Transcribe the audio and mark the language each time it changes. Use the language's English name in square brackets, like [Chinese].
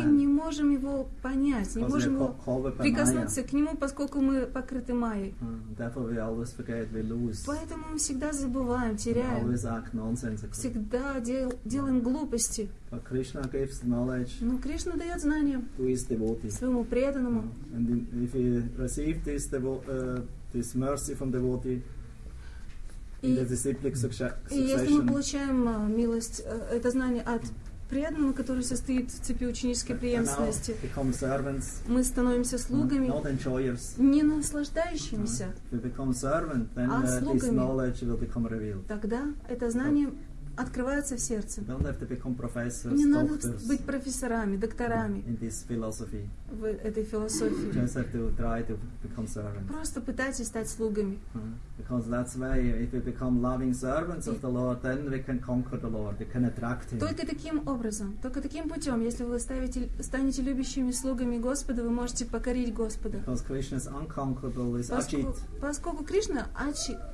[Russian] Но мы не можем его понять, не можем прикоснуться к нему, поскольку мы покрыты майей. [English] Therefore we always forget, we lose. [Russian] Поэтому мы всегда забываем, теряем. [English] We always act nonsensical. [Russian] Всегда делаем глупости. [English] But Krishna gives knowledge. [Russian] Но Кришна дает знания. [English] To his devotee. [Russian] Своему преданному. [English] And if he received this this mercy from the devotee. [Russian] И если мы получаем милость, это знание от преданного, который состоит в цепи ученической преемственности, мы становимся слугами, не наслаждающимися, [English] servant, then, [Russian] а слугами. Тогда это знание открываются в сердце. [English] Don't have to become professors, [Russian] не [English] doctors, [Russian] надо быть профессорами, докторами [English] in this philosophy. [Russian] В этой философии. [English] Just have to try to become servants. [Russian] Просто пытайтесь стать слугами. [English] Because that's why if we become loving servants of the Lord, then we can conquer the Lord, we can attract him. [Russian] Только таким образом, только таким путем, если вы станете любящими слугами Господа, вы можете покорить Господа. [English] Because Krishna is unconquerable, is Ajit. [Russian] Поскольку Кришна Аджит.